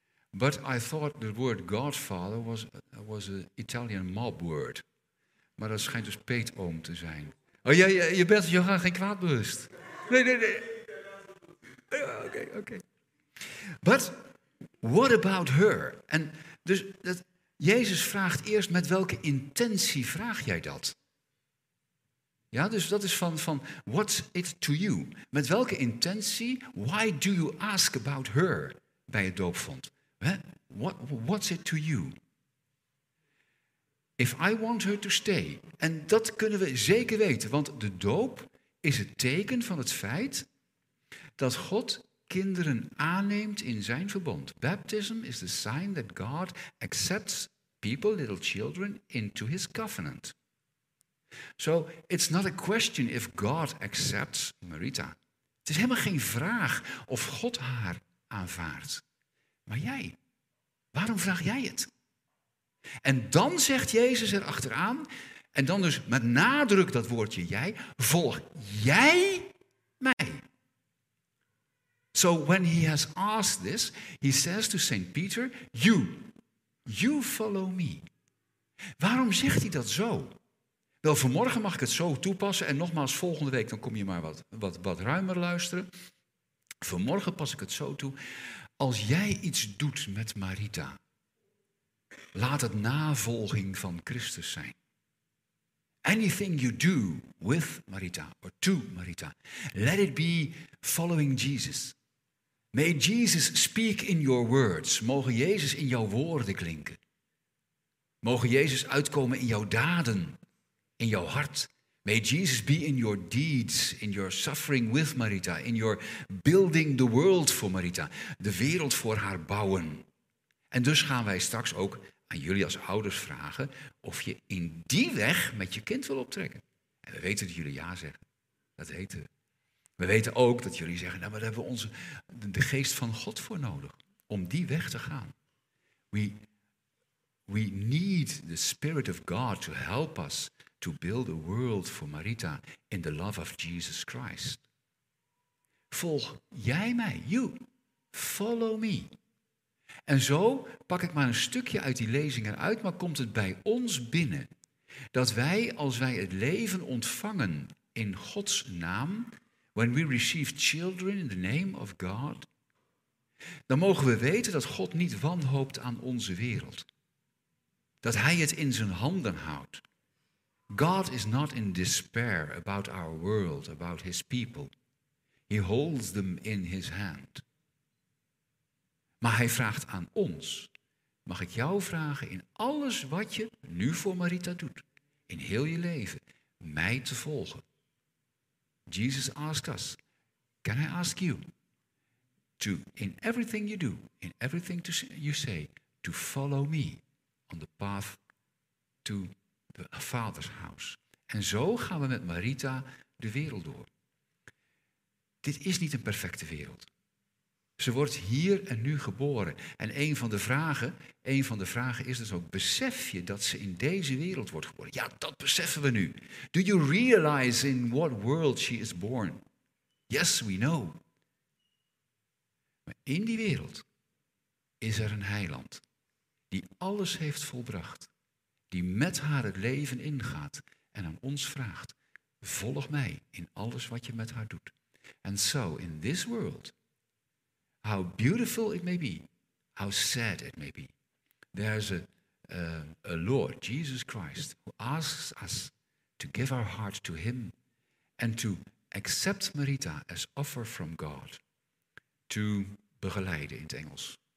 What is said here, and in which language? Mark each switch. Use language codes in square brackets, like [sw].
[en] But I thought the word godfather was an Italian mob word. [nl] Maar dat schijnt dus peetoom te zijn. Oh ja, je bent Johan geen kwaad bewust. Nee. Oké. [en] But what about her? [nl] En dus dat Jezus vraagt eerst met welke intentie vraag jij dat? Ja, dus dat is van [en] what's it to you? [nl] Met welke intentie? [en] Why do you ask about her [nl] bij het doopvond? [en] What's it to you? If I want her to stay. [nl] En dat kunnen we zeker weten, want de doop is het teken van het feit dat God kinderen aanneemt in zijn verbond. [en] Baptism is the sign that God accepts people, little children, into his covenant. So, it's not a question if God accepts Marita. [nl] Het is helemaal geen vraag of God haar aanvaardt. Maar jij, waarom vraag jij het? En dan zegt Jezus erachteraan, en dan dus met nadruk dat woordje jij, volg jij mij. [en] So when he has asked this, he says to Saint Peter, you follow me. [nl] Waarom zegt hij dat zo? Wel, vanmorgen mag ik het zo toepassen en nogmaals volgende week, dan kom je maar wat ruimer luisteren. Vanmorgen pas ik het zo toe. Als jij iets doet met Marita, laat het navolging van Christus zijn. [en] Anything you do with Marita or to Marita, let it be following Jesus. May Jesus speak in your words. [nl] Mogen Jezus in jouw woorden klinken. Mogen Jezus uitkomen in jouw daden, in jouw hart. [en] May Jesus be in your deeds, in your suffering with Marita, in your building the world for Marita, [nl] de wereld voor haar bouwen. En dus gaan wij straks ook aan jullie als ouders vragen of je in die weg met je kind wil optrekken. En we weten dat jullie ja zeggen. Dat weten we. We weten ook dat jullie zeggen, nou, maar daar hebben we de geest van God voor nodig, om die weg te gaan. [en] We need the Spirit of God to help us to build a world for Marita in the love of Jesus Christ. [nl] Volg jij mij, [en] you, follow me. [nl] En zo pak ik maar een stukje uit die lezing eruit, maar komt het bij ons binnen, dat wij, als wij het leven ontvangen in Gods naam, [en] when we receive children in the name of God, [nl] dan mogen we weten dat God niet wanhoopt aan onze wereld. Dat hij het in zijn handen houdt. [en] God is not in despair about our world, about his people. He holds them in his hand. [nl] Maar hij vraagt aan ons, mag ik jou vragen in alles wat je nu voor Marita doet, in heel je leven, mij te volgen? [en] Jesus asks us, can I ask you to, in everything you do, in everything you say, to follow me on the path to the Father's house. [nl] En zo gaan we met Marita de wereld door. Dit is niet een perfecte wereld. Ze wordt hier en nu geboren. En een van de vragen is dus ook, besef je dat ze in deze wereld wordt geboren? Ja, dat beseffen we nu. [en] Do you realize in what world she is born? Yes, we know. [nl] Maar in die wereld is er een heiland die alles heeft volbracht, die met haar het leven ingaat en aan ons vraagt, volg mij in alles wat je met haar doet. [en] And so, in this world, how beautiful it may be, how sad it may be, there's a Lord, Jesus Christ, who asks us to give our heart to him and to accept Marita as offer from God, to [nl] begeleiden in het Engels.